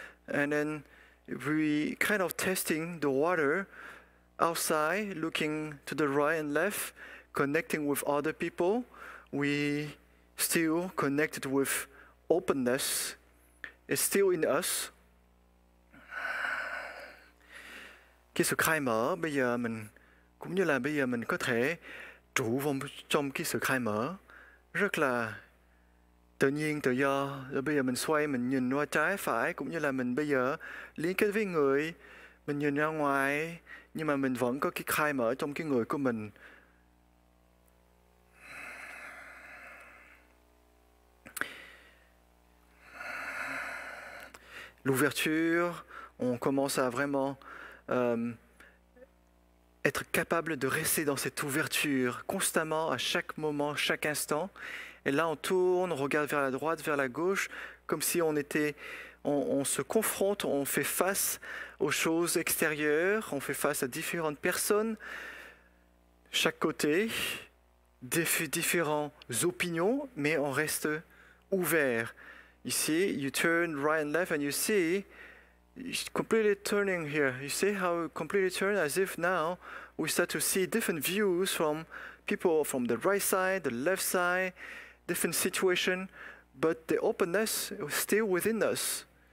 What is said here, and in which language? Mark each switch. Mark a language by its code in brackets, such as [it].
[en] And then we kind of testing the water. Outside, looking to the right and left, connecting with other people, we still connected with openness. It's still in us. [vi] Cái sự khai mở bây giờ mình cũng như là bây giờ mình có thể trụ vòng trong cái sự khai mở rất là tự nhiên tự do. Rồi bây giờ mình xoay mình nhìn qua trái phải cũng như là mình bây giờ liên kết với người mình nhìn ra ngoài. Nhưng mà mình vẫn có cái khai mở trong cái người của mình. [fr] L'ouverture, on commence à vraiment être capable de rester dans cette ouverture constamment, à chaque moment, chaque instant. Et là, on tourne, on regarde vers la droite, vers la gauche, comme si on était... On se confronte, on fait face aux choses extérieures, on fait face à différentes personnes, chaque côté, différentes opinions, mais on reste ouvert. [en] You see, you turn right and left and you see, completely turning here. You see how it completely turned as if now we start to see different views from people from the right side, the left side, different situation, but the openness is still within us.